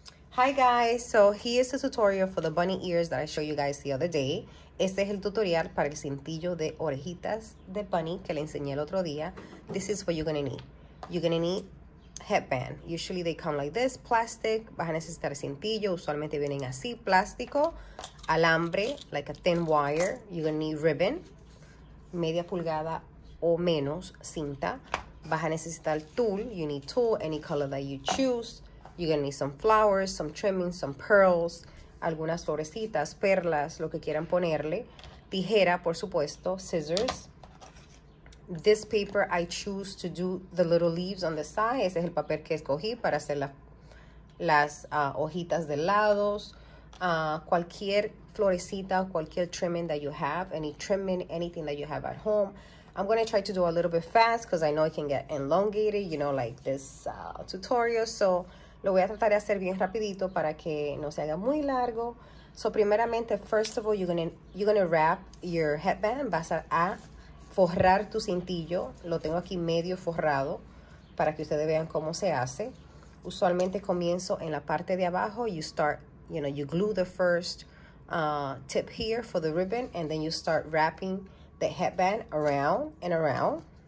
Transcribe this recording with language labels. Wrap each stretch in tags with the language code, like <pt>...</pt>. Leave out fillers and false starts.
<en>Hi guys, so here is the tutorial for the bunny ears that I showed you guys the other day.</en> <es>Este es el tutorial para el cintillo de orejitas de bunny que le enseñé el otro día.</es> <en>This is what you're gonna need. You're gonna need headband. Usually they come like this, plastic.</en> <es>Vas a necesitar cintillo, usualmente vienen así, plástico. Alambre,</es> <en>like a thin wire. You're gonna need ribbon,</en> <es>media pulgada o menos cinta. Vas a necesitar</es> <en>tulle, you need tulle, any color that you choose. You're gonna need some flowers, some trimmings, some pearls,</en> <es>algunas florecitas, perlas, lo que quieran ponerle. Tijera, por supuesto,</es> <en>scissors. This paper, I choose to do the little leaves on the side.</en> <es>Ese es el papel que escogí para hacer las hojitas de lados. Cualquier florecita, cualquier</es> <en>trimming that you have, any trimming, anything that you have at home. I'm gonna try to do a little bit fast because I know it can get elongated, you know, like this tutorial, so.</en> <es>Lo voy a tratar de hacer bien rapidito para que no se haga muy largo.</es> <en>So,</en> <es>primeramente,</es> <en>first of all, you're gonna wrap your headband.</en> <es>Vas a forrar tu cintillo. Lo tengo aquí medio forrado para que ustedes vean cómo se hace. Usualmente comienzo en la parte de abajo.</es> <en>You start, you know, you glue the first tip here for the ribbon. And then you start wrapping the headband around and around.</en>